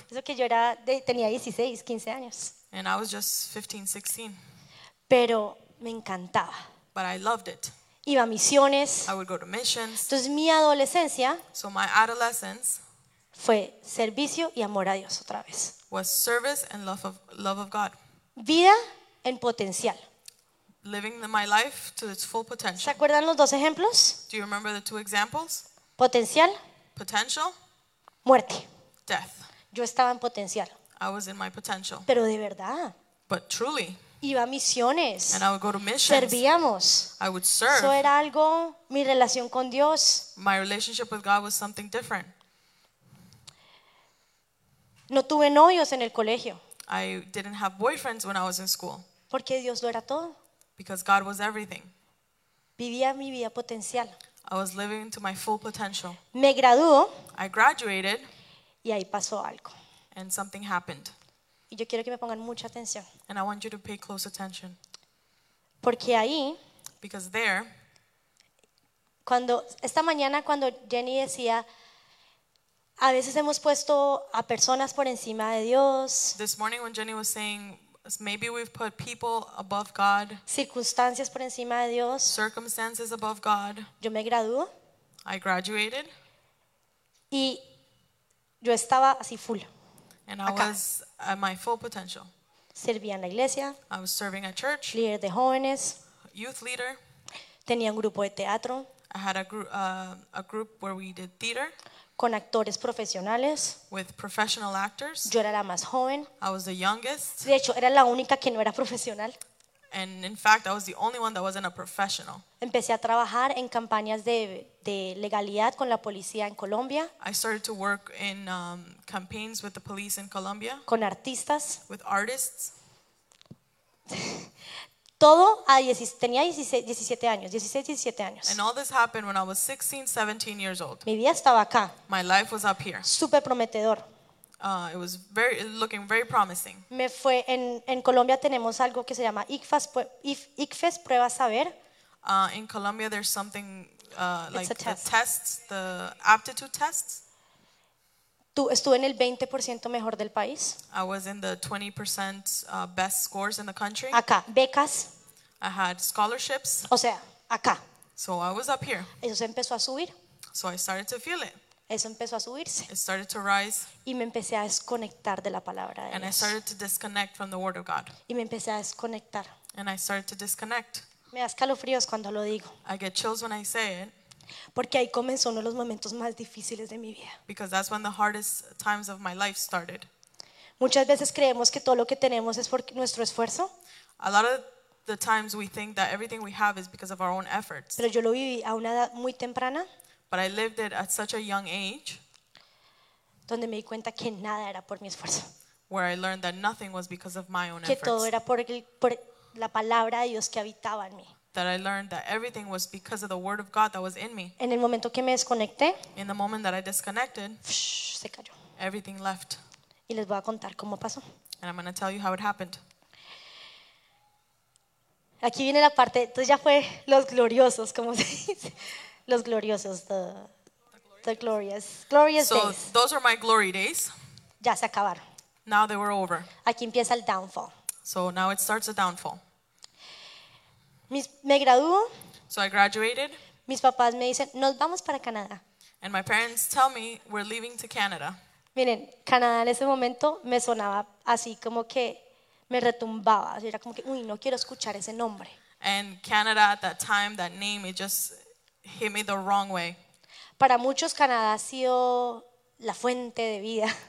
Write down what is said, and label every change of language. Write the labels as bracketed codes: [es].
[es] Eso que yo era de, tenía 16, 15 años. [en] And I was just 15, 16. [es] Pero me encantaba. [en] But I loved it. [es] Iba a misiones. [en] I would go to missions. [es] Entonces mi adolescencia, [en] so my adolescence, [es] fue servicio y amor a Dios otra vez. [en] Was service and love of God. [es] Vida en potencial. [en] living my life to its full potential. [es] ¿Se acuerdan los dos ejemplos? [en] Do you remember the two examples? [es] Potencial. [en] Potential. [es] Muerte. [en] Death. [es] Yo estaba en potencial. [en] I was in my potential. [es] Pero de verdad. [en] But truly. [es] Iba a misiones. [en] And I would go to missions. [es] Servíamos. [en] I would serve. [es] Eso era algo, mi relación con Dios. [en] My relationship with God was something different. [es] No tuve novios en el colegio. [en] I didn't have boyfriends when I was in school. [es] Porque Dios lo era todo. [en] Because God was everything. [es] Vivía mi vida potencial. [en] I was living to my full potential. [es] Me graduó. [en] I graduated. [es] Y ahí pasó algo. [en] And something happened. [es] Y yo quiero que me pongan mucha atención. [en] And I want you to pay close attention. [es] Porque ahí, [en] because there, [es] cuando esta mañana cuando Jenny decía, a veces hemos puesto a personas por encima de Dios. [en] This morning when Jenny was saying, maybe we've put people above God. [es] Circunstancias por encima de Dios. [en] Circumstances above God. [es] Yo me graduó. [en] I graduated. [es] Y yo estaba así full. [en] And I was at my full potential. [es] Servía en la iglesia. [en] I was serving at church. [es] Líder de jóvenes. [en] Youth leader. [es] Tenía un grupo de teatro. [en] I had a group where we did theater. [es] Con actores profesionales. [en] With professional actors. [es] Yo era la más joven. [en] I was the youngest. [es] De hecho, era la única que no era profesional. [en] And in fact, I was the only one that wasn't a professional. [es] Empecé a trabajar en campañas de legalidad con la policía en Colombia. [en] I started to work in campaigns with the police in Colombia. [es] Con artistas. [en] With artists. [es] Todo a 16, 17 años. [en] And all this happened when I was 16, 17 years old. [es] Mi vida estaba acá. [en] My life was up here. [es] Súper prometedor. [en] It was very, looking very promising. [es] Me fue en Colombia tenemos algo que se llama ICFES, pruebas saber. [en] In Colombia there's something like the aptitude tests. [es] Estuve en el 20% mejor del país. [en] I was in the 20% best scores in the country. [es] Acá, becas. [en] I had scholarships. [es] O sea, acá. [en] So I was up here. [es] Eso se empezó a subir. [en] So I started to feel it. [es] Eso empezó a subirse. [en] It started to rise. [es] Y me empecé a desconectar de la palabra de [en] And [es] Dios. [en] I started to disconnect from the word of God. [es] Y me empecé a desconectar. [en] And I started to disconnect. [es] Me da escalofríos cuando lo digo. [en] I get chills when I say it. [es] Porque ahí comenzó uno de los momentos más difíciles de mi vida. [en] Because that's when the hardest times of my life started. [es] Muchas veces creemos que todo lo que tenemos es por nuestro esfuerzo. [en] A lot of the times we think that everything we have is because of our own efforts. [es] Pero yo lo viví a una edad muy temprana. [en] But I lived it at such a young age. [es] Donde me di cuenta que nada era por mi esfuerzo. [en] Where I learned that nothing was because of my own [es] que [en] efforts. [es] Que todo era por la palabra de Dios que habitaba en mí. [en] That I learned that everything was because of the word of God that was in me. [es] En el momento que me desconecté, [en] in the moment that I disconnected, [es] se cayó. [en] Everything left. [es] Y les voy a contar cómo pasó. [en] And I'm going to tell you how it happened. [es] Aquí viene la parte, entonces ya fue los gloriosos, como se dice. Los gloriosos, [en] the glorious, glorious so days. So those are my glory days. [es] Ya se acabaron. [en] Now they were over. [es] Aquí empieza el downfall. [en] So now it starts a downfall. [es] Me graduó. [en] So I graduated. [es] Mis papás me dicen, nos vamos para Canadá. [en] And my parents tell me, we're leaving to Canada. [es] Miren, Canadá en ese momento me sonaba así como que me retumbaba. Era como que, uy, no quiero escuchar ese nombre. [en] And Canada at that time, that name, it just hit me the wrong way. [es] Para muchos, Canadá ha sido la fuente de vida.